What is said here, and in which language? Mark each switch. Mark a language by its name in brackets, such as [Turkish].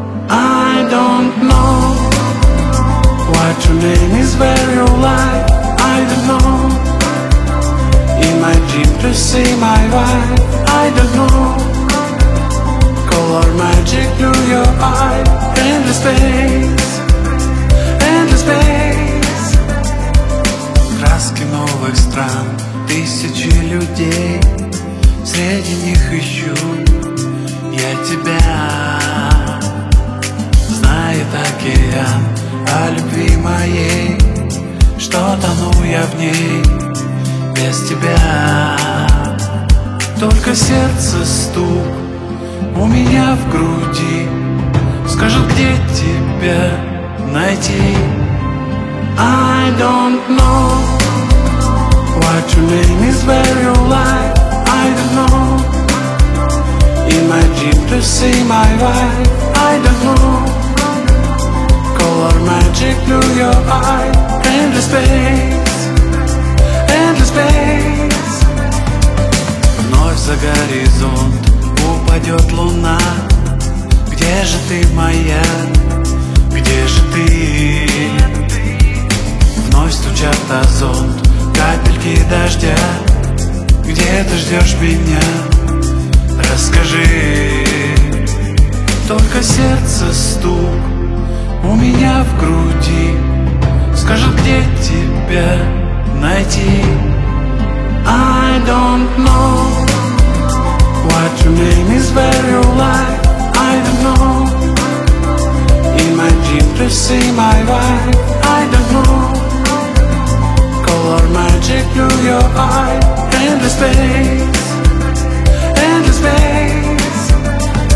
[English] I don't know what your name is, where you lie. I don't know. In my dream to see my wife. I don't know. Color magic through your eye. In the space, in the space. [Russian] Краски новых стран, тысячи людей. Среди них ищу я тебя. Знает океан о любви моей, что тону я в ней без тебя. Только сердце стук у меня в груди скажет, где тебя найти. [English] I don't know what your name is, where you lie. I don't know. In my dream to see my wife. I don't know. Color magic through your eye. Endless space, endless space. [Russian] Вновь за горизонт упадет луна. Где же ты, моя? Где же ты? Вновь стучат о зонт капельки дождя. Где ты ждешь меня? Расскажи. Только сердце стук у меня в груди скажет, где тебя найти. [English] I don't know what your name is, where you lie. I don't know. In my dream to see my wife. I don't know. Color magic through your eye. In the space, in the space.